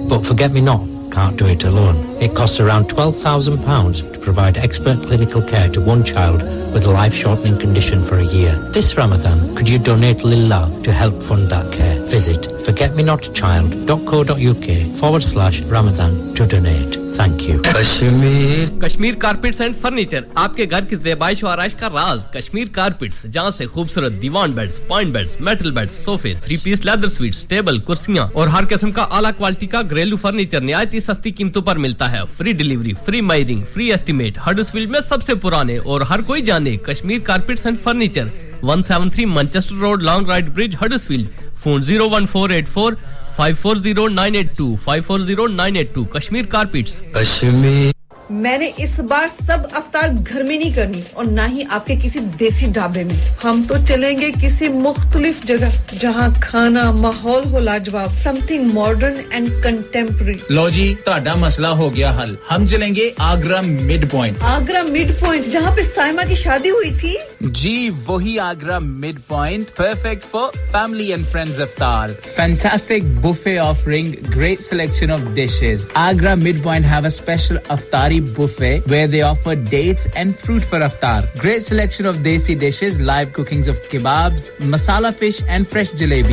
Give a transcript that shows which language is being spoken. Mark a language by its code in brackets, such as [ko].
[en] But Forget Me Not can't do it alone. It costs around £12,000 to provide expert clinical care to one child with a life-shortening condition for a year. This Ramadan, could you donate Lilla to help fund that care? Visit forgetmenotchild.co.uk/Ramadan to donate. Thank you. [hi] Kashmir Kashmir carpets and furniture, आपके घर की ज़ेबाइश और आराइश का राज Kashmir carpets, जहां से खूबसूरत दीवान beds, point beds, metal beds, सोफे, three piece leather suits, table, कुर्सियां और हर किस्म का आला क्वालिटी का घरेलू फर्नीचर नियायती सस्ती कीमतों पर मिलता है। [en] free delivery, free measuring, free estimate, [hi] Huddersfield में सबसे पुराने और हर कोई जाने Kashmir carpets and furniture, 173 Manchester road, long right bridge, Huddersfield. Phone 01484 540982 Kashmir carpets, Kashmir. मैंने इस बार सब अफ्तार घर में नहीं करनी और ना ही आपके किसी देसी ढाबे में। हम तो चलेंगे किसी मुख्तलिफ जगह जहां खाना माहौल हो लाजवाब, [en] Something modern and contemporary. [hi] लो जी, ताड़ा मसला हो गया हल, हम चलेंगे Agra mid point. Agra mid point, जहां पे साइमा की शादी हुई थी? जी, वही [en] Agra mid point, perfect for family and friends iftar. Fantastic buffet offering, great selection of dishes. Agra mid point have a special iftar buffet where they offer dates and fruit for iftar. Great selection of desi dishes, live cookings of kebabs, masala fish and fresh jalebi.